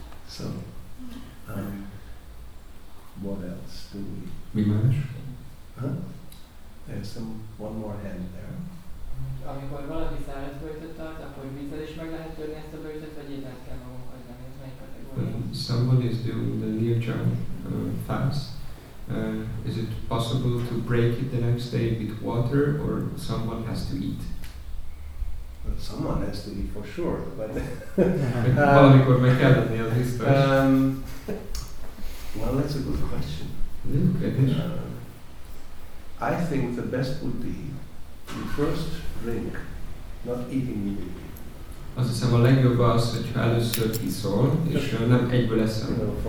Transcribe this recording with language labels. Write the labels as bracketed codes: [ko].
[en] So, what else do we... [hu] Mi más? [en] There's one more hand there. [hu] Amikor valaki szállat bőjtöt tart, akkor vízzel is meg lehet törni ezt a bőjtöt, vagy ételt kell magunk? [en] Somebody is doing the nirjana fast. Is it possible to break it the next day with water, or someone has to eat? Well, someone has to eat for sure. But well, that's a good question. I think the best would be to first drink, not eating immediately. [hu] Azt hiszem a legjobb az, hogyha először iszol, és nem egyből eszem.